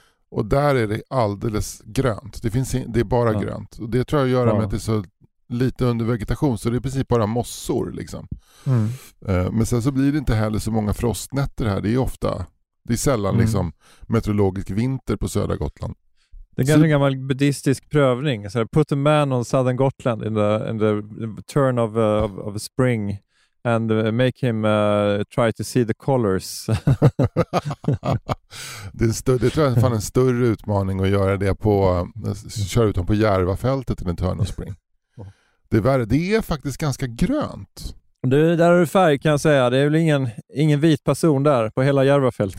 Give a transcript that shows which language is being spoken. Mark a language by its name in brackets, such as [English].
[Swedish] Och där är det alldeles grönt. Det är bara grönt. Och det tror jag gör med att det är så lite under vegetation. Så det är i princip bara mossor. Liksom. Mm. Men sen så blir det inte heller så många frostnätter här. Det är ofta, det är sällan liksom meteorologisk vinter på södra Gotland. Det är en gammal buddhistisk prövning. Så här, [English] put a man on southern Gotland in the turn of spring and make him try to see the colors. [Swedish] det tror jag är fan en större utmaning att göra det på, köra ut dem på Järvafältet i en [English] turn of spring. [Swedish] Det är värre. Det är faktiskt ganska grönt. Du, där är du färg kan jag säga. Det är väl ingen vit person där på hela Järvafältet.